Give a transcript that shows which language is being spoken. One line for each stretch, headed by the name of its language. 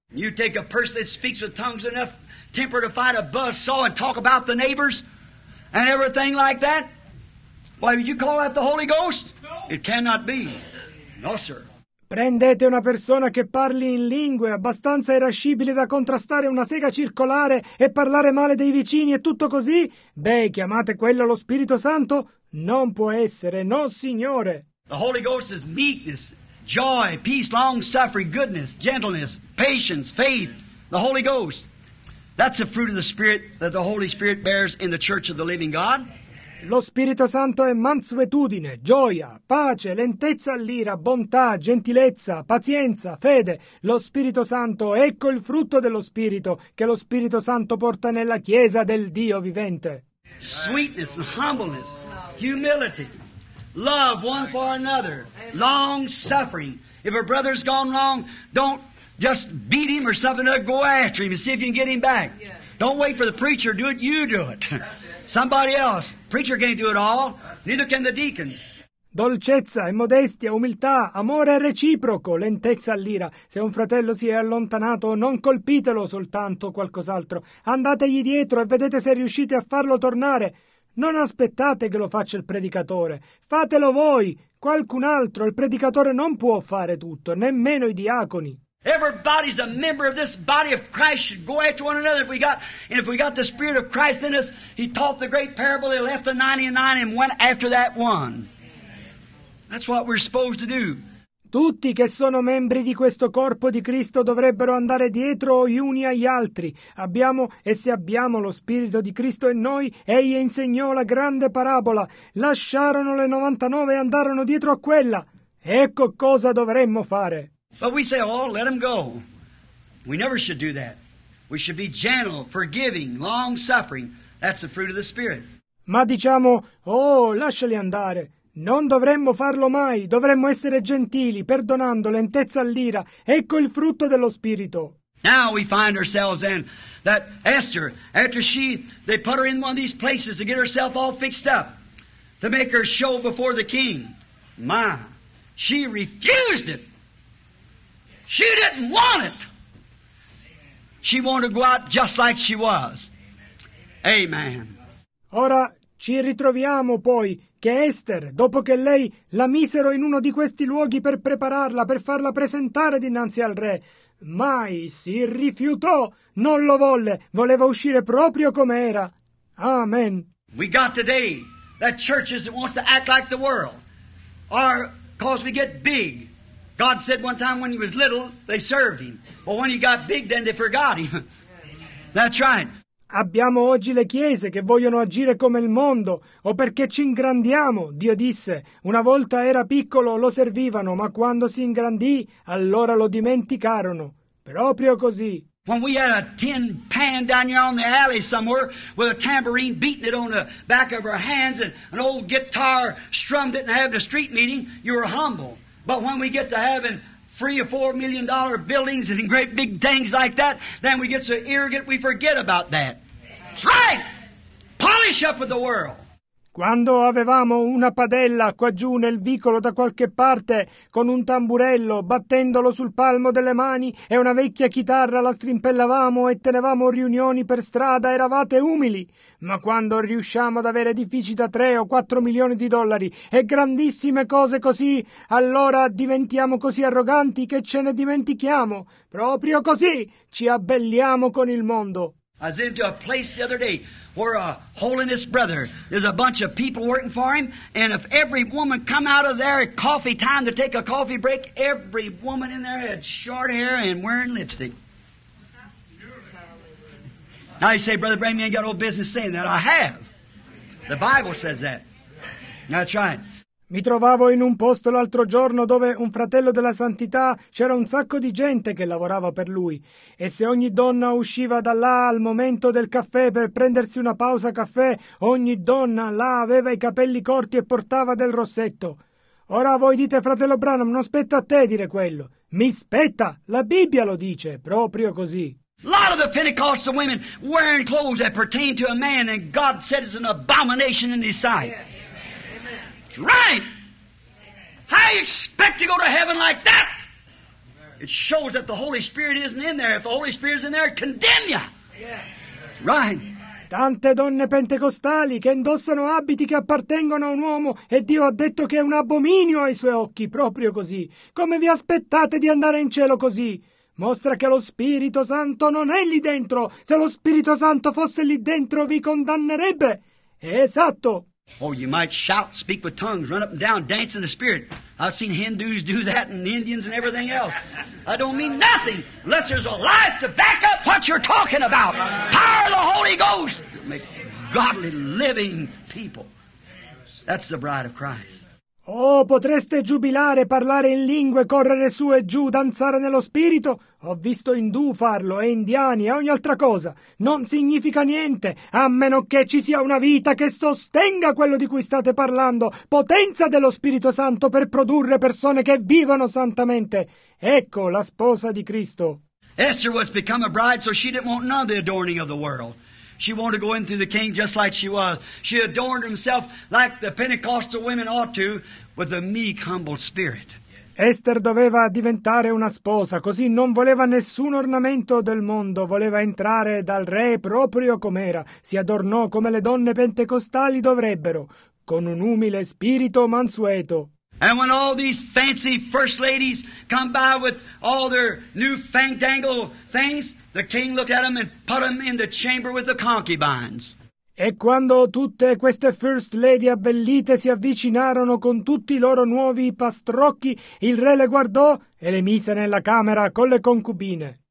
English: You take a person that speaks with tongues enough temper to fight a buzz saw and talk about the neighbors and everything like that? Why, would you call that the Holy Ghost? No. It cannot be. No, sir.
Italian: Prendete una persona che parli in lingue abbastanza irascibile da contrastare una sega circolare e parlare male dei vicini e tutto così? Beh, chiamate quello lo Spirito Santo? Non può essere, no signore!
English: The Holy Ghost is meekness, joy, peace, long suffering, goodness, gentleness, patience, faith. The Holy Ghost. That's the fruit of the Spirit that the Holy Spirit bears in the Church of the Living God.
Italian: Lo Spirito Santo è mansuetudine, gioia, pace, lentezza all'ira, bontà, gentilezza, pazienza, fede. Lo Spirito Santo, ecco il frutto dello Spirito che lo Spirito Santo porta nella Chiesa del Dio vivente.
English: Sweetness and humbleness, humility, love one for another, long suffering. If a brother's gone wrong, don't just beat him or something, go after him and see if you can get him back. Don't wait for the preacher, do it, you do it. Somebody else. Preacher can't do it all, neither can the deacons.
Italian: Dolcezza e modestia, umiltà, amore reciproco, lentezza all'ira. Se un fratello si è allontanato, non colpitelo soltanto, qualcos'altro. Andategli dietro e vedete se riuscite a farlo tornare. Non aspettate che lo faccia il predicatore. Fatelo voi, qualcun altro. Il predicatore non può fare tutto, nemmeno i diaconi.
English: Everybody's a member of this body of Christ should go after one another. If we got the Spirit of Christ in us, he taught the great parable, he left the 99 and went after that one. That's what we're supposed to do.
Italian: Tutti che sono membri di questo corpo di Cristo dovrebbero andare dietro gli uni agli altri. Abbiamo, e se abbiamo lo Spirito di Cristo in noi, egli insegnò la grande parabola. Lasciarono le 99 e andarono dietro a quella. Ecco cosa dovremmo fare.
English: But we say, oh, let them go. We never should do that. We should be gentle, forgiving, long-suffering. That's the fruit of the Spirit.
Italian: Ma diciamo, oh, lasciali andare. Non dovremmo farlo mai. Dovremmo essere gentili, perdonando, lentezza all'ira. Ecco il frutto dello Spirito.
English: Now we find ourselves in that Esther, after she, they put her in one of these places to get herself all fixed up, to make her show before the king. My, she refused it. She didn't want it. She wanted to go out just like she was. Amen.
Italian: Ora ci ritroviamo poi che Esther, dopo che lei la misero in uno di questi luoghi per prepararla, per farla presentare dinanzi al re, mai si rifiutò, non lo volle, voleva uscire proprio come era. Amen.
English: We got today that churches that wants to act like the world are cause we get big. God said one time when he was little, they served him. But when he got big, then they forgot him. That's right.
Italian: Abbiamo oggi le chiese che vogliono agire come il mondo, o perché ci ingrandiamo. Dio disse, una volta era piccolo, lo servivano, ma quando si ingrandì, allora lo dimenticarono. Proprio così.
English: When we had a tin pan down here on the alley somewhere with a tambourine beating it on the back of our hands and an old guitar strummed it and having a street meeting, you were humble. But when we get to having $3 or $4 million buildings and great big things like that, then we get so arrogant we forget about that. That's right! Polish up with the world!
Italian: Quando avevamo una padella qua giù nel vicolo da qualche parte, con un tamburello battendolo sul palmo delle mani e una vecchia chitarra la strimpellavamo e tenevamo riunioni per strada, eravate umili. Ma quando riusciamo ad avere edifici da 3 o 4 milioni di dollari e grandissime cose così, allora diventiamo così arroganti che ce ne dimentichiamo. Proprio così ci abbelliamo con il mondo.
English: I was into a place the other day where a holiness brother, there's a bunch of people working for him, and if every woman come out of there at coffee time to take a coffee break, every woman in there had short hair and wearing lipstick. Now you say, Brother Branham, you ain't got no business saying that. I have. The Bible says that. That's right.
Italian: Mi trovavo in un posto l'altro giorno dove un fratello della santità c'era un sacco di gente che lavorava per lui. E se ogni donna usciva da là al momento del caffè per prendersi una pausa caffè, ogni donna là aveva i capelli corti e portava del rossetto. Ora voi dite, fratello Branham, non spetta a te dire quello. Mi spetta! La Bibbia lo dice, proprio così.
English: A lot of the Pentecostal women wearing clothes that pertain to a man and God said it's an abomination in his sight. Yeah. Right. How you expect to go to heaven like that? It shows that the Holy Spirit isn't in there. If the Holy Spirit is in there, it condemns you. Right.
Italian: Tante donne pentecostali che indossano abiti che appartengono a un uomo e Dio ha detto che è un abominio ai suoi occhi, proprio così. Come vi aspettate di andare in cielo così? Mostra che lo Spirito Santo non è lì dentro. Se lo Spirito Santo fosse lì dentro, vi condannerebbe. Esatto.
English: Oh, you might shout, speak with tongues, run up and down, dance in the spirit. I've seen Hindus do that and Indians and everything else. I don't mean nothing unless there's a life to back up what you're talking about. Power of the Holy Ghost to make godly living people. That's the bride of Christ.
Italian: Oh, potreste giubilare, parlare in lingue, correre su e giù, danzare nello spirito? Ho visto indù farlo, e indiani, e ogni altra cosa. Non significa niente, a meno che ci sia una vita che sostenga quello di cui state parlando, potenza dello Spirito Santo per produrre persone che vivano santamente. Ecco la sposa di Cristo.
English: Esther was become a bride, so she didn't want none of the adorning of the world. She wanted to go in through the king just like she was. She adorned herself like the Pentecostal women ought to, with a meek, humble spirit.
Italian: Esther doveva diventare una sposa, così non voleva nessun ornamento del mondo, voleva entrare dal re proprio com'era. Si adornò come le donne pentecostali dovrebbero, con un umile spirito mansueto.
English: And when all these fancy first ladies come by with all their new fandangled things, the king looked at them and put them in the chamber with the concubines.
Italian: E quando tutte queste first lady abbellite si avvicinarono con tutti i loro nuovi pastrocchi, il re le guardò e le mise nella camera con le concubine.